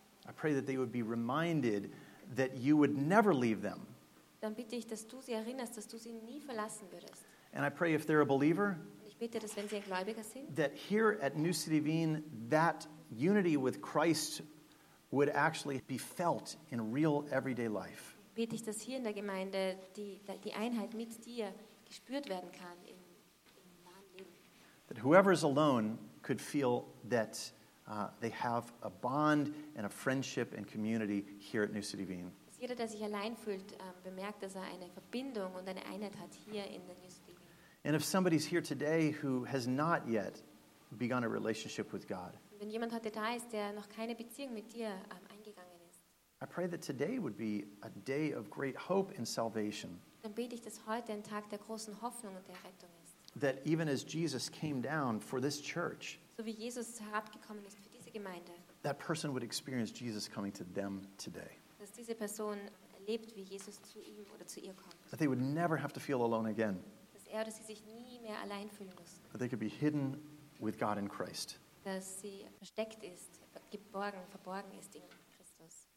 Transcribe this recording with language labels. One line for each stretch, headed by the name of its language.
English: I pray that they would be reminded that you would never leave them.
German: Dann bitte ich, dass du sie erinnerst, dass du sie nie verlassen würdest.
English: And I pray if they're a believer,
German: bitte, dass, wenn sie ein Gläubiger sind,
English: that here at New City Wien, that unity with Christ would actually be felt in real everyday life.
German: Bitte ich, dass hier in der Gemeinde die Einheit mit dir gespürt werden kann im nahen Leben.
English: That whoever is alone could feel that they have a bond and a friendship and community here at New City Wien.
German: Dass jeder, der sich allein fühlt, bemerkt, dass er eine Verbindung und eine Einheit hat hier in der New City Wien.
English: And if somebody's here today who has not yet begun a relationship with God,
German: wenn jemand heute da ist, der noch keine Beziehung mit dir eingegangen ist,
English: I pray that today would be a day of great hope and salvation.
German: Dann bete ich, dass heute ein Tag der großen Hoffnung und der Rettung ist.
English: That even as Jesus came down for this church,
German: so wie Jesus herabgekommen ist für diese Gemeinde,
English: that person would experience Jesus coming to them today.
German: Dass diese Person erlebt, wie Jesus zu ihm oder zu ihr kommt.
English: That they would never have to feel alone again.
German: er oder sie sich nie mehr allein fühlen müssen.
English: That they could be hidden with God in Christ.
German: Dass sie versteckt ist, geborgen, verborgen ist in Christus.